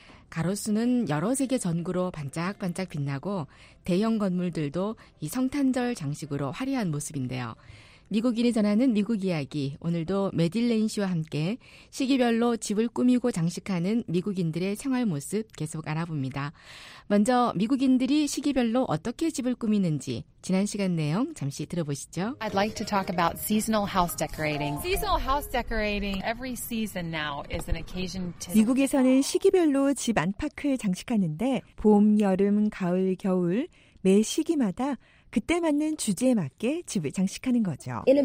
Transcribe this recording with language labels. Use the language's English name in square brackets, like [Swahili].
[Korean] 가로수는 여러 색의 전구로 반짝반짝 빛나고 대형 건물들도 이 성탄절 장식으로 화려한 모습인데요. 미국인이 전하는 미국 이야기, 오늘도 메딜레인 씨와 함께 시기별로 집을 꾸미고 장식하는 미국인들의 생활 모습 계속 알아봅니다. 먼저 미국인들이 시기별로 어떻게 집을 꾸미는지 지난 시간 내용 잠시 들어보시죠. [English] I'd like to talk about seasonal house decorating. Seasonal house decorating. Every season now is an occasion to [Korean] 미국에서는 시기별로 집 안팎을 장식하는데 봄, 여름, 가을, 겨울 매 시기마다 그때 맞는 주제에 맞게 집을 장식하는 거죠.